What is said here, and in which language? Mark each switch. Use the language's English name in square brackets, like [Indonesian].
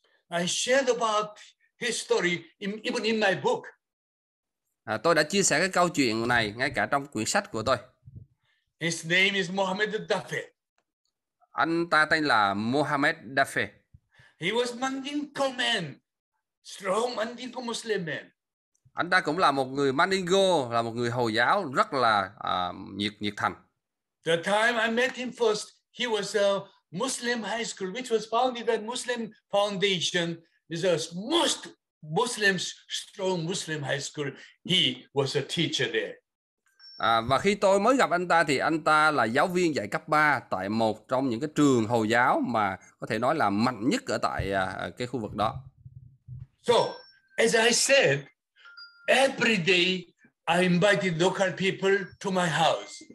[English] I shared about his story even in my book. [Vietnamese] Tôi đã chia sẻ cái câu chuyện này ngay cả trong quyển sách của tôi. [English] His name is Mohammed Dafe. [Vietnamese] Anh ta tên là Mohammed Dafe. [English] He was Mandinko man, strong Mandinko Muslim man. [Vietnamese] Anh ta cũng là một người Mandingo, là một người Hồi giáo rất là nhiệt thành. [English] The time I met him first, he was a Muslim high school, which was founded by Muslim Foundation. This is most Muslim strong Muslim high school. He was a teacher there. [Vietnamese] Và khi tôi mới gặp anh ta thì anh ta là giáo viên dạy cấp 3 tại một trong những cái trường Hồi giáo mà có thể nói là mạnh nhất ở tại cái khu vực đó. [English] So, As I said, every day I invited local people to my house.